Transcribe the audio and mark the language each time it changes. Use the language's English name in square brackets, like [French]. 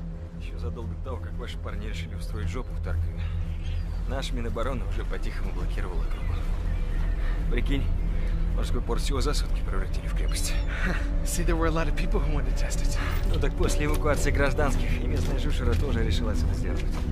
[Russian] Кстати, еще задолго до того, как ваши парни решили устроить жопу в Таркове, наш Минобороны уже по-тихому блокировал округу. Прикинь, морской порт всего за сутки превратили в крепость. [English] See, there were a lot of people who wanted to test it. [Russian] Ну так после эвакуации гражданских и местная жушера тоже решилась это сделать.